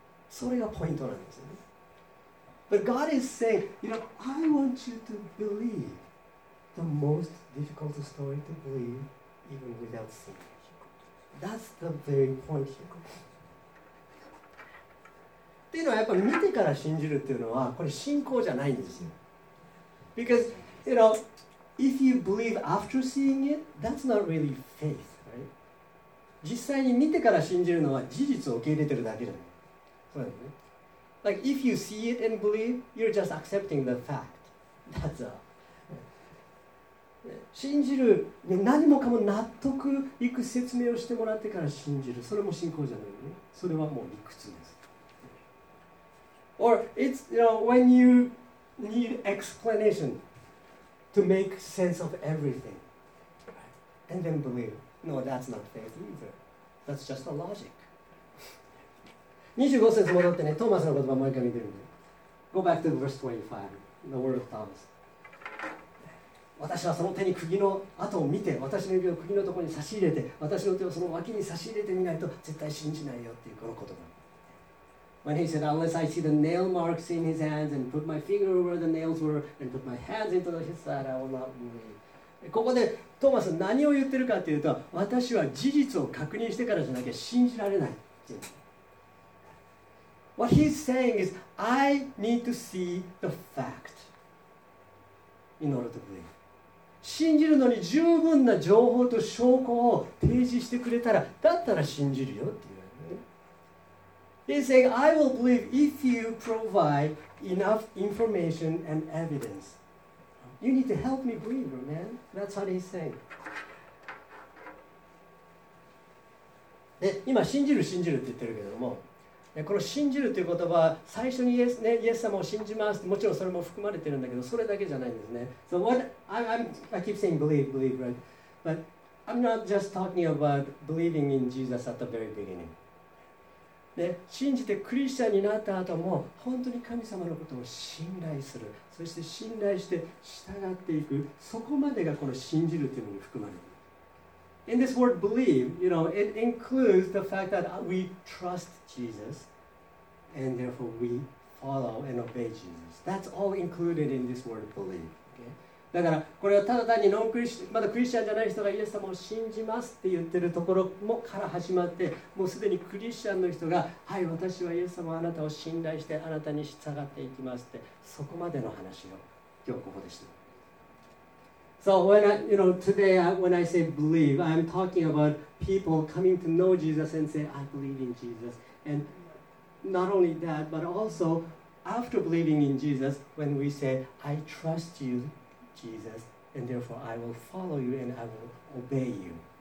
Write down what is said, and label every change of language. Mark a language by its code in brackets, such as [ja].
[ja] それがポイントなんですよね。 [en] But God is saying, you know, I want you to believe the most difficult story to believe even without seeing it. That's the very point here. [ja] っていうのはやっぱり見てから信じるっていうのはこれ信仰じゃないんですよ。 [en] Because, you know, if you believe after seeing it, that's not really faith, right? [ja] 実際に見てから信じるのは事実を受け入れてるだけだよ。そうだよね。 [en] Like, if you see it and believe, you're just accepting the fact. That's all. [ja] 信じる、ね、何もかも納得いく説明をしてもらってから信じる。それも信仰じゃないよね。それはもう理屈です。 [en] Or, it's, you know, when you need explanation to make sense of everything, and then believe. No, that's not faith either. That's just a logic. [ja] 25節戻ってね、トーマスの言葉もう一回見てるんで。 [en] Go back to verse 25, the word of Thomas. [ja] 私はその手に釘の跡を見て、私の指を釘のところに差し入れて、私の手をその脇に差し入れてみないと絶対信じないよっていうこの言葉。 [en] When he said, unless I see the nail marks in his hands and put my finger where the nails were and put my hands into the his side, I will not believe. [ja] ここでトーマス何を言ってるかっていうと、私は事実を確認してからじゃなきゃ信じられない。 [en] What he's saying is, I need to see the fact in order to believe. [ja] 信じるのに十分な情報と証拠を提示してくれたら、だったら信じるよっていう、ね。 [en] He's saying, I will believe if you provide enough information and evidence. You need to help me believe, man. That's what he's saying. [ja] で、今信じる信じるって言ってるけども、この信じるという言葉は最初にイエス、ね、イエス様を信じますもちろんそれも含まれてるんだけどそれだけじゃないんですね。 [en] So what I keep saying believe, believe, right? But I'm not just talking about believing in Jesus at the very beginning. [ja] で信じてクリスチャンになった後も本当に神様のことを信頼する、そして信頼して従っていく、そこまでがこの信じるというのに含まれる。 [en] In this word believe, you know, it includes the fact that we trust Jesus and therefore we follow and obey Jesus. That's all included in this word believe. Okay? [ja] だからこれはただ単にノンクリスまだクリスチャンじゃない人がイエス様を信じますって言ってるところもから始まって、もうすでにクリスチャンの人がはい私はイエス様あなたを信頼してあなたに従っていきますって、そこまでの話を今日ここでした。 [en] So when I, you know, today when I say believe, I'm talking about people coming to know Jesus and say, I believe in Jesus. And not only that, but also after believing in Jesus, when we say, I trust you, Jesus, and therefore I will follow you and I will obey you.